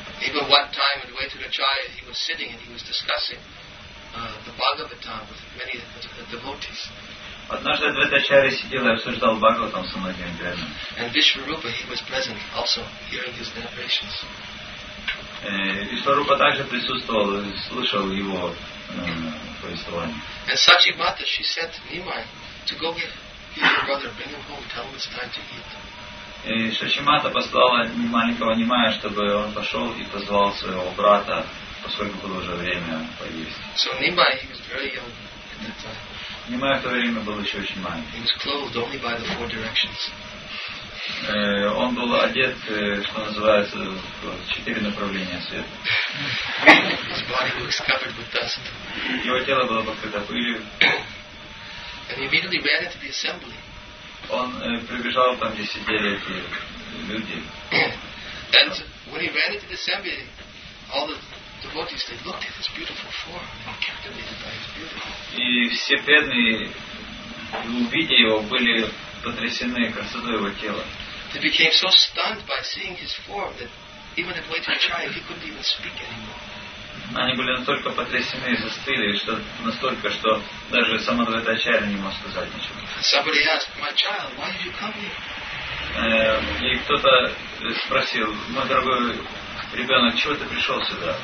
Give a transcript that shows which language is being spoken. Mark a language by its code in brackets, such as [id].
[en] Even one time on the way to the Chaya, he was sitting and he was discussing the Bhagavatam with many of the devotees. [ru] Однажды Адвайтачарья сидел и обсуждал Бхагаватам с многими преданными. [en] And Вишварупа, he was present also hearing his narrations. [ru] Вишварупа также присутствовал и слушал его повествование. [en] And Сачимата, she sent Nimai to go get your brother, bring him home, tell him it's time to eat. [ru] И Шачимата послала маленького Нимая, чтобы он пошел и позвал своего брата, поскольку было уже время поесть. [en] So Nimai, he was very young at that time. [ru] Нимай в то время был еще очень маленький. [en] He was clothed only by the four directions. [ru] Он был одет, что называется, в четыре направления света. [en] His body was covered with dust. [ru] Его тело было покрыто пылью. [en] And he immediately ran into the assembly. [ru] Он прибежал там, где сидели эти люди. [en] And when he ran into the assembly, all the devotees, they looked at his beautiful form, captivated by his beauty. [ru] И все преданные, увидя его, были потрясены красотой его тела. [en] they became so stunned by seeing his form that even at Vaitra Chaya he couldn't even speak anymore. [ru] Они были настолько потрясены и застыли, что настолько, что даже сам Адвайта Ачарья не мог сказать ничего. [en] Somebody asked, my child, why did you come here? [ru] И кто-то спросил, мой дорогой ребенок, чего ты пришел сюда?